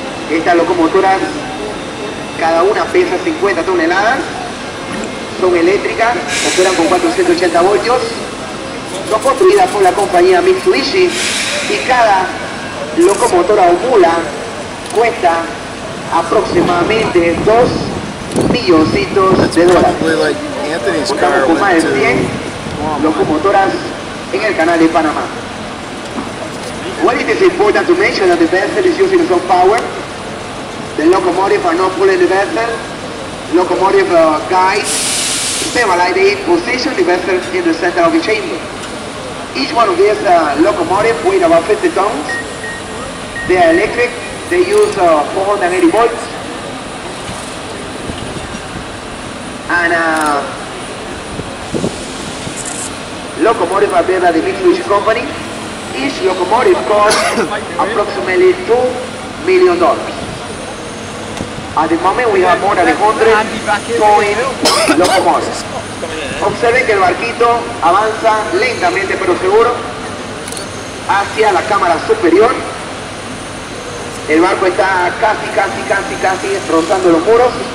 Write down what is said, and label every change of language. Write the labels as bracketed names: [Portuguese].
[Spanish] Estas locomotoras, cada una pesa 50 toneladas, son eléctricas, operan con 480 voltios, son construidas por la compañía Mitsubishi y cada locomotora o mula cuesta aproximadamente 2 milloncitos de dólares. Contamos con más de 100 locomotoras en el canal de Panamá. [English] What it is important to mention that the vessel is using its own power. The locomotive are not pulling the vessel. Locomotive guide stabilize the position the vessel in the center of the chamber. Each one of these locomotives weigh about 50 tons. They are electric. They use 480 volts. And locomotive are built by the Mitsubishi Company. Each locomotive costs approximately $2 million. At the moment, we have more than 100 towing locomotives. [Spanish] Observe que el barquito avanza lentamente pero seguro hacia la cámara superior. El barco está casi rozando los muros.